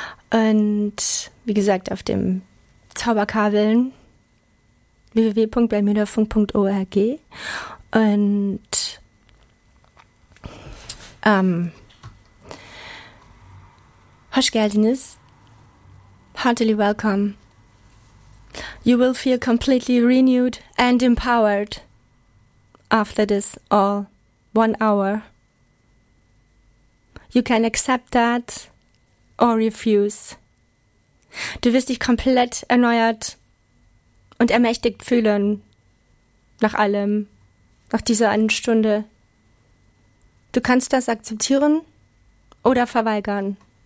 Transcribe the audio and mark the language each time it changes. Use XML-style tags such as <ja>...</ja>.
<de>Und wie gesagt, auf dem Zauberkabeln www.bermudafunk.org und Hoshgeldiness,</de> <en>heartily welcome. You will feel completely renewed and empowered after this all 1 hour. You can accept that or refuse.</en> <de>Du wirst dich komplett erneuert und ermächtigt fühlen nach allem, nach dieser einen Stunde. Du kannst das akzeptieren oder verweigern.</de>